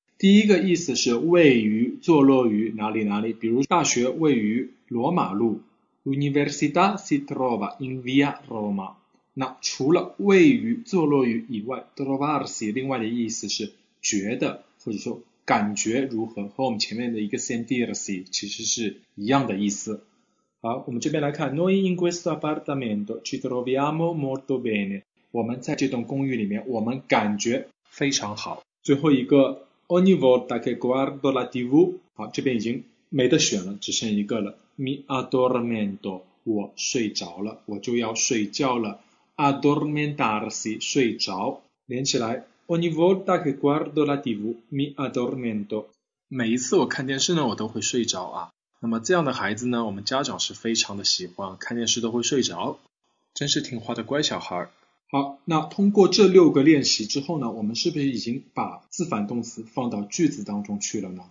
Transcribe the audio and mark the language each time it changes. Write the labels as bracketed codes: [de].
[zh] 第一个意思是位于、坐落于哪里哪里，比如大学位于罗马路， [it] Università si trova in via Roma。 [zh] 那除了位于、坐落于以外，trovarsi 另外的意思是觉得或者说。感觉如何？和我们前面的一个 sentirsi 其实是一样的意思。好，我们这边来看， [it] Noi in questo appartamento ci troviamo molto bene。 [zh] 我们在这栋公寓里面，我们感觉非常好。最后一个， [it] Ogni volta che guardo la TV， [zh] 好，这边已经没得选了，只剩一个了。 [it] Mi addormento， [zh] 我睡着了，我就要睡觉了。 Addormentarsi，睡着，连起来。 [it] Ogni volta che guardo la TV, mi addormento。 [zh] 每一次我看电视呢，我都会睡着啊。那么这样的孩子呢，我们家长是非常的喜欢，看电视都会睡着，真是听话的乖小孩。好，那通过这六个练习之后呢，我们是不是已经把自反动词放到句子当中去了呢？